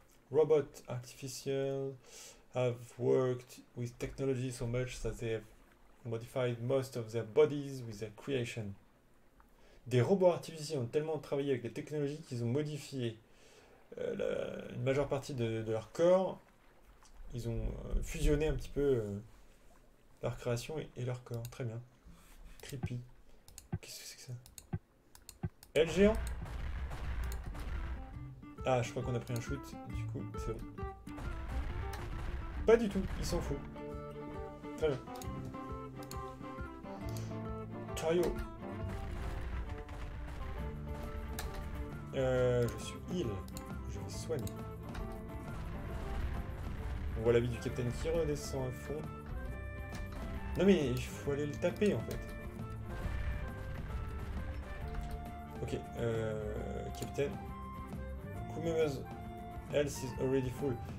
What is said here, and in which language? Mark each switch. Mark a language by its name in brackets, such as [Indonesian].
[English] Robot artificial have worked with technology so much that they have modified most of their bodies with their creation. [French] Des robots artificiels ont tellement travaillé avec les technologies qu'ils ont modifié une majeure partie de leur corps. Ils ont fusionné un petit peu leur création et leur corps. Très bien. [English] Creepy. [French] Qu'est-ce que c'est que ça? El géant? Ah, je crois qu'on a pris un shoot. Du coup, c'est bon. Pas du tout. Il s'en fout. Très bien. Je suis heal, je vais soigner. On voit la vie du capitaine qui redescend à fond. Non mais il faut aller le taper en fait. [English] Ok, capitaine. Who remembers? Health is already full.